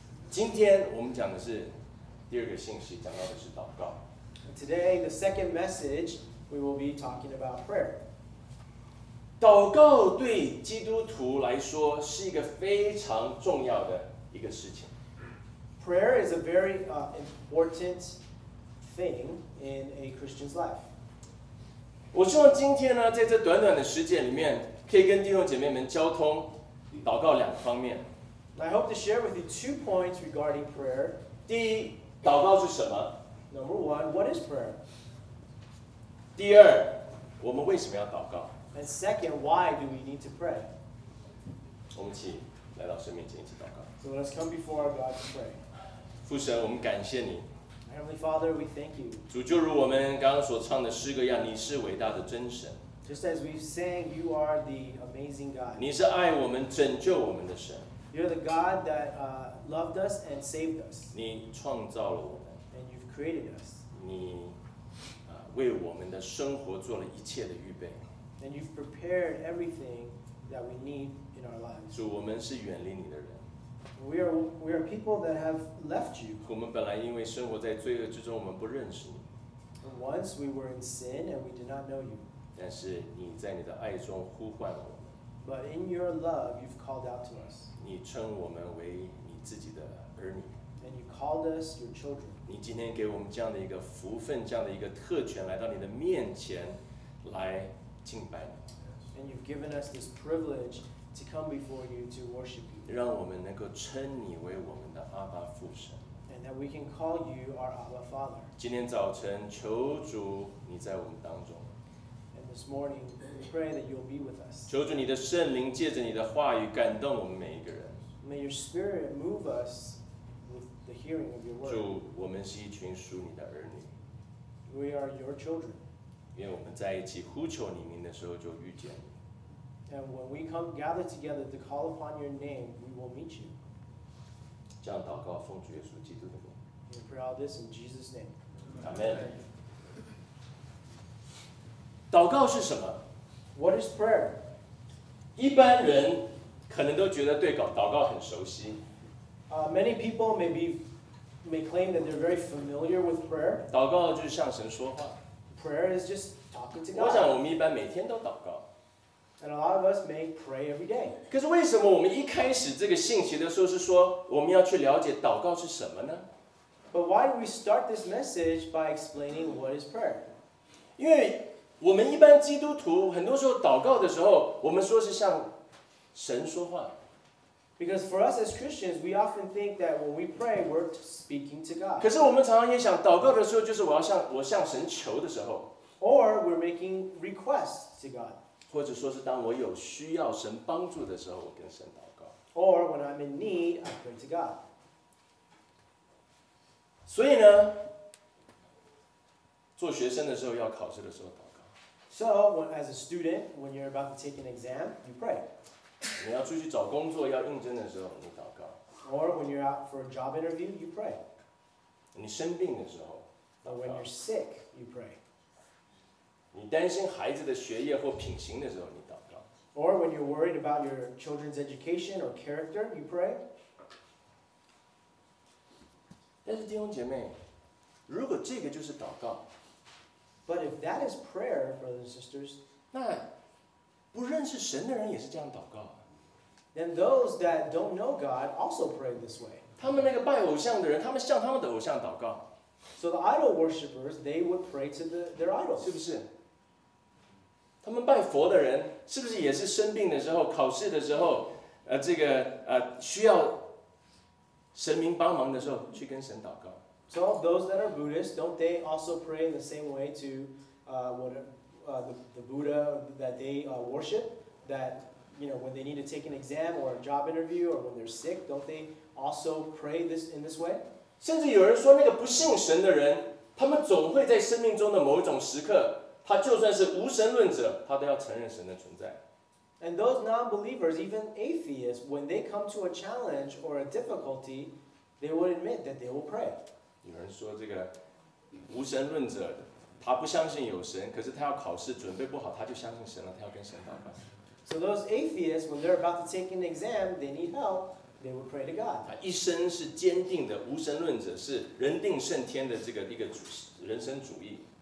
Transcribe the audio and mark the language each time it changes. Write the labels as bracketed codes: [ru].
[zh] 今天我们讲的是第二个信息，讲到的是祷告。 [en] Today, the second message, we will be talking about prayer. [zh] 祷告对基督徒来说是一个非常重要的一个事情。 [en] Prayer is a very important thing in a Christian's life. [zh] 我希望今天呢，在这短短的时间里面，可以跟弟兄姐妹们交通祷告两方面。 [en] I hope to share with you two points regarding prayer. [zh] 第一，祷告是什么？ [en] Number one, what is prayer? [zh] 第二，我们为什么要祷告？ [en] And second, why do we need to pray? [zh] 我们请来到神面前一起祷告。 [en] So let's come before our God to pray. [zh] 父神，我们感谢你。 [en] Heavenly Father, we thank you. [zh] 主，就如我们刚刚所唱的诗歌一样，你是伟大的真神。 [en] Just as we've sang, you are the amazing God. [zh] 你是爱我们、拯救我们的神。 [en] You're the God that loved us and saved us. [zh] 你创造了我们。 [en] And you've created us. [zh] 你为我们的生活做了一切的预备。 [en] And you've prepared everything that we need in our lives. [zh] 主，我们是远离你的人。 [en] We are people that have left you. [zh] 我们本来因为生活在罪恶之中，我们不认识你。 [en] And once we were in sin and we did not know you. [zh] 但是你在你的爱中呼唤我们。 [en] But in your love, you've called out to us. [zh] 你称我们为你自己的儿女。 [en] And you called us your children. [zh] 你今天给我们这样的一个福分，这样的一个特权，来到你的面前来敬拜你。 [en] And you've given us this privilege to come before you to worship you. [zh] 让我们能够称你为我们的阿爸父神。 [en] And that we can call you our Abba Father. [zh] 今天早晨求主你在我们当中。 [en] This morning, we pray that you'll be with us. [zh] 求主你的圣灵借着你的话语感动我们每一个人。 [en] May your spirit move us with the hearing of your word. [zh] 主，我们是一群属你的儿女。 [en] We are your children. [zh] 愿我们在一起呼求你名的时候就遇见你。 [en] And when we come gather together to call upon your name, we will meet you. [zh] 这样祷告，奉主耶稣基督的名。 [en] We pray all this in Jesus' name. [zh] Amen. Amen. 祷告是什么 [en] ？What is prayer？ [zh] 一般人可能都觉得对祷告很熟悉。 [en] Many people may claim that they're very familiar with prayer. [zh] 祷告就是向神说话。 [en] Prayer is just talking to God. [zh] 我想我们一般每天都祷告。 [en] And a lot of us may pray every day. [zh] 可是为什么我们一开始这个信息的时候是说我们要去了解祷告是什么呢 [en] ？But why do we start this message by explaining what is prayer？ [zh] 因为我们一般基督徒很多时候祷告的时候，我们说是向神说话。 [en] Because for us as Christians, we often think that when we pray, we're speaking to God. [zh] 可是我们常常也想祷告的时候，就是我向神求的时候。 [en] Or we're making requests to God. [zh] 或者说是当我有需要神帮助的时候，我跟神祷告。 [en] Or when I'm in need, I pray to God. [zh] 所以呢，做学生的时候要考试的时候祷告。 [en] So, as a student, when you're about to take an exam, you pray. [zh] 你要出去找工作，要应征的时候，你祷告。 [en] Or when you're out for a job interview, you pray. [zh] 你生病的时候，祷告。 [en] When you're sick, you pray. [zh] 你担心孩子的学业或品行的时候，你祷告。 [en] Or when you're worried about your children's education or character, you pray. [zh] 但是弟兄姐妹，如果这个就是祷告。 [en] But if that is prayer, brothers and sisters, [zh] 那不认识神的人也是这样祷告。 [en] Then those that don't know God also pray this way. [zh] 他们那个拜偶像的人，他们向他们的偶像祷告。 [en] So the idol worshippers, they would pray to their idols. [zh] 是不是？他们拜佛的人，是不是也是生病的时候、考试的时候，这个需要神明帮忙的时候，去跟神祷告？ [en] So those that are Buddhists, don't they also pray in the same way to the Buddha that they worship? That you know, when they need to take an exam or a job interview or when they're sick, don't they also pray in this way? [zh] 甚至有人说，那个不信神的人，他们总会在生命中的某一种时刻。他就算是无神论者，他都要承认神的存在。 [en] And those non-believers, even atheists, when they come to a challenge or a difficulty, they would admit that they will pray. [zh] 有人说这个无神论者，他不相信有神，可是他要考试准备不好，他就相信神了，他要跟神祷告。 [en] So those atheists, when they're about to take an exam, they need help, they would pray to God. [zh] 他一生是坚定的无神论者，是人定胜天的这个一个人生主义。